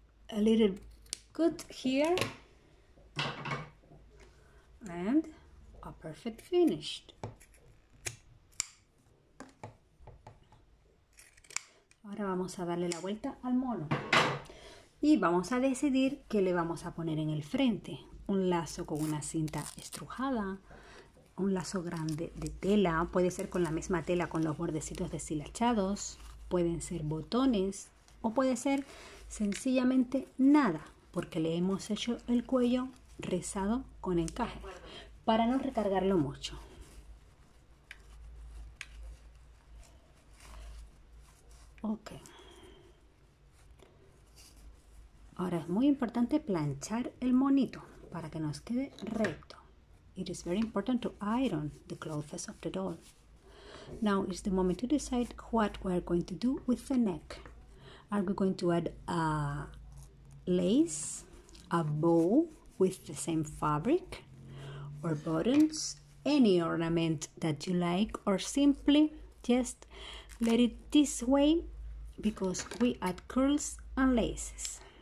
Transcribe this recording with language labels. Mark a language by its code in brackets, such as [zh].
[en] A little cut here and a perfect finished. [es] Ahora vamos a darle la vuelta al mono y vamos a decidir qué le vamos a poner en el frente. Un lazo con una cinta estrujada, un lazo grande de tela, puede ser con la misma tela con los bordecitos deshilachados, pueden ser botones o puede ser sencillamente nada, porque le hemos hecho el cuello rizado con encaje para no recargarlo mucho. Ok. Ahora es muy importante planchar el monito para que nos quede recto. [en] It is very important to iron the clothes of the doll. Now is the moment to decide what we are going to do with the neck. Are we going to add a lace, a bow with the same fabric, or buttons, any ornament that you like, or simply just let it this way because we add curls and laces.